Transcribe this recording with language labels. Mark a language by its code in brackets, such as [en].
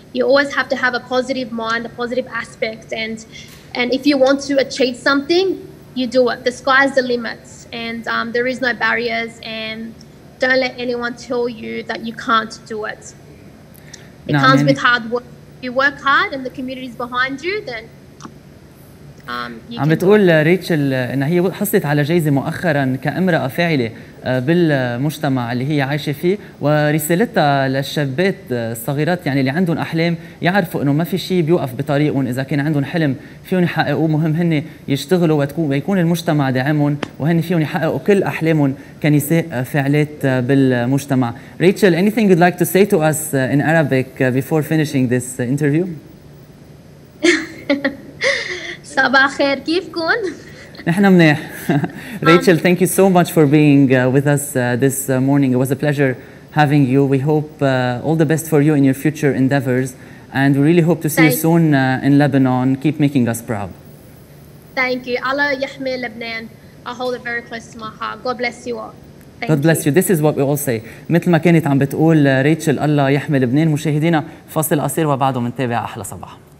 [en] You always have to have a positive mind, a positive aspect, and if you want to achieve something, you do it. The sky's the limit, and there is no barriers, and don't let anyone tell you that you can't do it. It comes with hard work. If you work hard and the community is behind you, then [ar] عم بتقول ريتشل إن هي حصلت على جائزة مؤخراً كامرأة فاعلة بالمجتمع اللي هي عايشة فيه، ورسالتها للشابات الصغيرات يعني اللي عندهم أحلام يعرفوا إنه ما في شيء بيوقف بطريقهم، إذا كان عندهم حلم فيهم يحققوا، مهم هني يشتغلوا ويكون المجتمع داعمهم وهني فيهم يحققوا كل أحلامهم كنساء فاعلات بالمجتمع. [en] Rachel, anything you'd like to say to us in Arabic before finishing this interview؟ [ar] صباح خير، كيفكم؟ نحن منيح. [en] Rachel, thank you so much for being with us this morning. It was a pleasure having you. We hope all the best for you in your future endeavors. And we really hope to see you soon in Lebanon. Keep making us proud. Thank you. [ar] Allah yahmi Lebanon. [en] I hold it very close to my heart. God bless you all. God bless you. This is what we all say. [ar] مثل ما كانت عم بتقول ريتشل، الله يحمي لبنان. مشاهدينا، فاصل قصير وبعده منتابع أحلى صباح.